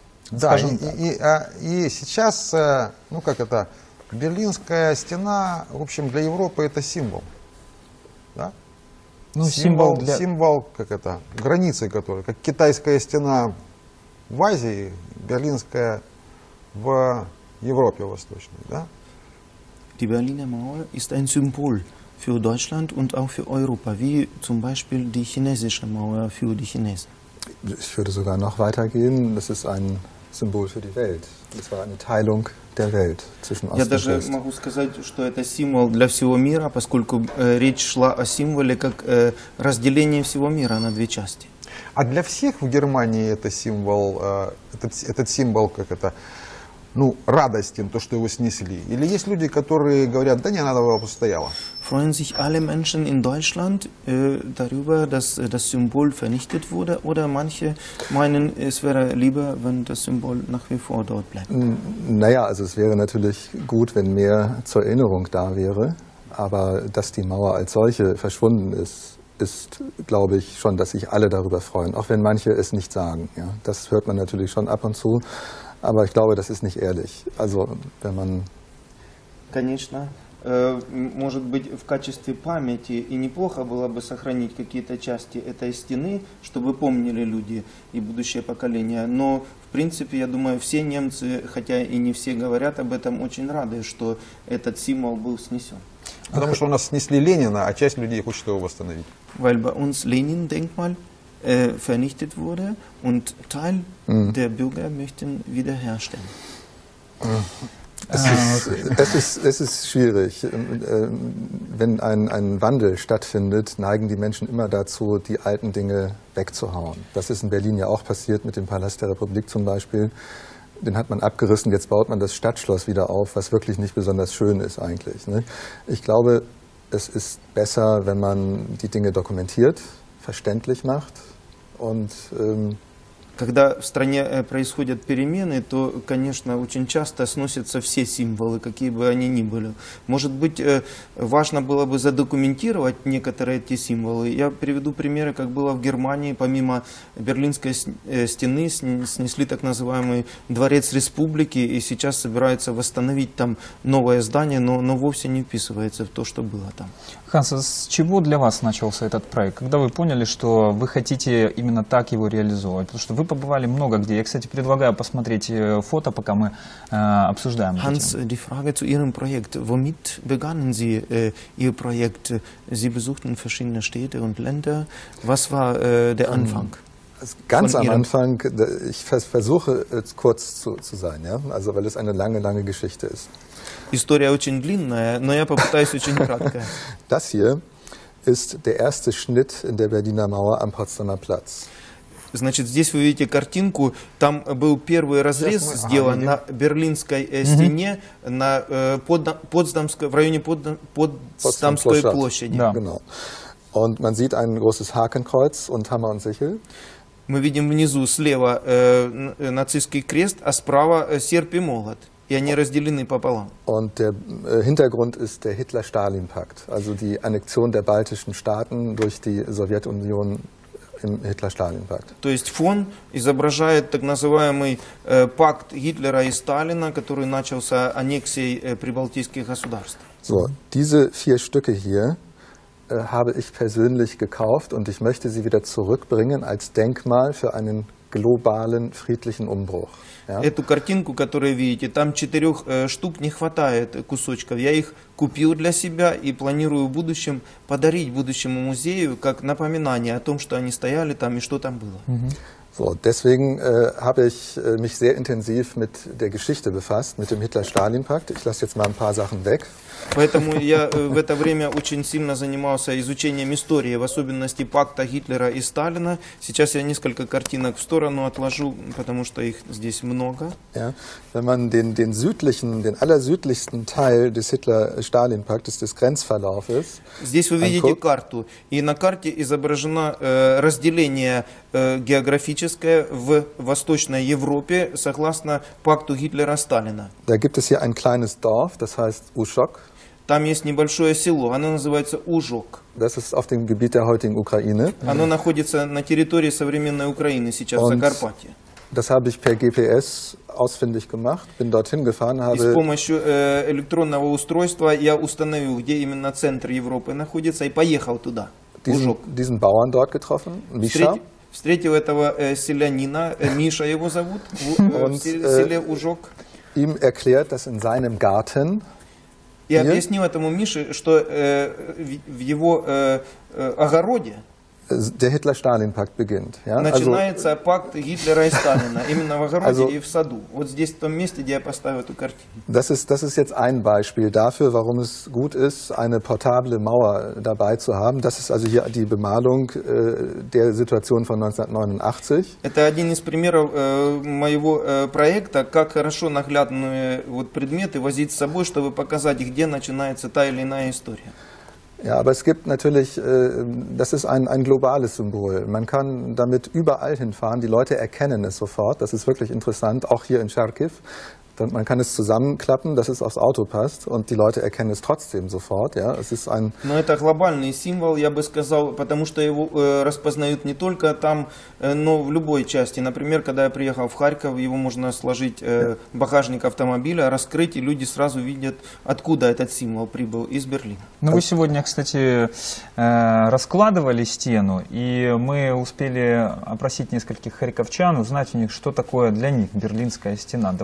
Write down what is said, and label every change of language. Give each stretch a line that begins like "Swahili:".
Russian: Да, и сейчас, ну как это, Берлинская стена, в общем, для Европы это символ. Да? Ну, символ, как это, границы, которые, как китайская стена в Азии, Берлинская в Европе восточной, да?
German: Die Berliner Mauer ist ein Symbol für Deutschland und auch für Europa, wie zum Beispiel die chinesische Mauer für die Chinesen. Ich würde sogar noch weitergehen. Das ist ein Symbol für die Welt. Das war eine Teilung der Welt zwischen Ost und West.
Russian: Я даже могу сказать, что это символ для всего мира, поскольку речь шла о символе как разделение всего мира на две части. А для всех в Германии это символ, этот символ, как это, ну, радости, то, что его снесли? Или есть люди, которые говорят, да не, надо бы его стояло?
German: Freuen sich alle Menschen in Deutschland darüber, dass das Symbol vernichtet wurde? Oder manche meinen, es wäre lieber, wenn das Symbol nach wie vor dort bleibt? Naja, also es wäre natürlich gut, wenn mehr zur Erinnerung da wäre. Aber dass die Mauer als solche verschwunden ist, ist, glaube ich, schon, dass sich alle darüber freuen. Auch wenn manche es nicht sagen. Ja? Das hört man natürlich schon ab und zu. Aber ich glaube, das ist nicht ehrlich. Also, wenn man...
Russian: Конечно. Может быть, в качестве памяти и неплохо было бы сохранить какие-то части этой стены, чтобы помнили люди и будущее поколение. Но, в принципе, я думаю, все немцы, хотя и не все говорят об этом, очень рады, что этот символ был снесен. Потому что у нас снесли Ленина, а часть людей хочет его восстановить.
German: Weil bei uns Lenin-Denkmal vernichtet wurde und Teil der Bürger möchten wiederherstellen. Es ist schwierig. Wenn ein Wandel stattfindet, neigen die Menschen immer dazu, die alten Dinge wegzuhauen. Das ist in Berlin ja auch passiert mit dem Palast der Republik zum Beispiel. Den hat man abgerissen, jetzt baut man das Stadtschloss wieder auf, was wirklich nicht besonders schön ist eigentlich. Ich glaube, es ist besser, wenn man die Dinge dokumentiert, verständlich macht und...
Russian: Когда в стране происходят перемены, то, конечно, очень часто сносятся все символы, какие бы они ни были. Может быть, важно было бы задокументировать некоторые эти символы. Я приведу примеры, как было в Германии. Помимо Берлинской стены снесли так называемый Дворец Республики, и сейчас собираются восстановить там новое здание, но вовсе не вписывается в то, что было там. Ханс, с чего для вас начался этот проект? Когда вы поняли, что вы хотите именно так его реализовать? Потому что вы побывали много где. Я, кстати, предлагаю посмотреть фото, пока мы обсуждаем.
German: Ханс, die Frage zu Ihrem Projekt. Womit begannen Sie Ihr Projekt? Sie besuchten verschiedene Städte und Länder. Was war der Anfang? Ganz am Anfang, ich versuche jetzt kurz zu sein, ja? Also, weil es eine lange, lange Geschichte ist.
Russian: История очень длинная, но я попытаюсь очень кратко.
German: Das hier ist der erste Schnitt in der Berliner Mauer am Potsdamer Platz.
Russian: Значит, здесь вы видите картинку, там был первый разрез сделан на берлинской стене на Потсдамской, в районе Потсдамской площади. Да.
German: Genau. Und man sieht ein großes Hakenkreuz und Hammer und Sichel.
Russian: Мы видим внизу слева нацистский крест, а справа серп и молот. И они разделены пополам.
German: Und der Hintergrund ist der Hitler-Stalin-Pakt, also die Annexion der baltischen Staaten durch die Sowjetunion im Hitler-Stalin-Pakt.
Russian: То есть фон изображает так называемый пакт Гитлера и Сталина, который начался аннексией прибалтийских государств.
German: So, diese vier Stücke hier habe ich persönlich gekauft und ich möchte sie wieder zurückbringen als Denkmal für einen globalen friedlichen Umbruch. Ja?
Russian: Эту картинку, которую видите, там четырех штук не хватает кусочков. Я их купил для себя и планирую в будущем подарить будущему музею как напоминание о том, что они стояли там и что там было.
German: So, deswegen habe ich mich sehr intensiv mit der Geschichte befasst, mit dem Hitler-Stalin-Pakt. Ich lasse jetzt mal ein paar Sachen weg.
Russian: Поэтому я в это время очень сильно занимался изучением истории, в особенности пакта Гитлера и Сталина. Сейчас я несколько картинок в сторону отложу, потому что их здесь много.
German: Ja, wenn man den südlichen, den allersüdlichsten Teil des Hitler-Stalin-Paktes, des Grenzverlaufes,
Russian: здесь вы видите
German: anguckt,
Russian: карту, и на карте изображено разделение географическое в Восточной Европе согласно пакту Гитлера-Сталина.
German: Da gibt es hier ein kleines Dorf, das heißt Ušok.
Russian: Там есть небольшое село, оно называется Ужок.
German: Das ist auf dem Gebiet der heutigen Ukraine.
Russian: Оно находится на территории современной Украины сейчас, в Закарпатье.
German: Das habe ich per GPS ausfindig gemacht, bin dorthin gefahren, habe...
Russian: И с помощью электронного устройства я установил, где именно центр Европы находится, и поехал туда, Ужок.
German: Diesen Bauern dort getroffen, Миша.
Russian: Встретил этого селянина, Миша его зовут, в селе Ужок.
German: Ihm erklärt, dass in seinem Garten...
Russian: Я объяснил этому Мише, что в его огороде
German: der Hitler-Stalin-Pakt beginnt, ja?
Russian: Начинается
German: also,
Russian: пакт Гитлера и Сталина именно в огороде also, и в саду. Вот здесь, в том месте, где я поставил эту картину.
German: Das ist jetzt ein Beispiel dafür, warum es gut ist, eine portable Mauer dabei zu haben. Das ist also hier die Bemalung der Situation von 1989.
Russian: Это один из примеров моего проекта, как хорошо наглядные вот предметы возить с собой, чтобы показать, где начинается та или иная история.
German: Ja, aber es gibt natürlich, das ist ein globales Symbol. Man kann damit überall hinfahren, die Leute erkennen es sofort. Das ist wirklich interessant, auch hier in Charkiw. Man kann es zusammenklappen, dass es aufs Auto passt und die Leute erkennen es trotzdem sofort. Ja, es ist ein...
Russian: Но это глобальный символ, я бы сказал, потому что его распознают не только там, но в любой части. Например, когда я приехал в Харьков, его можно сложить в багажник автомобиля, раскрыть, и люди сразу видят, откуда этот символ прибыл из Берлина. Ну, вы сегодня, кстати, раскладывали стену, и мы успели опросить нескольких харьковчан, узнать у них, что такое для них Берлинская стена.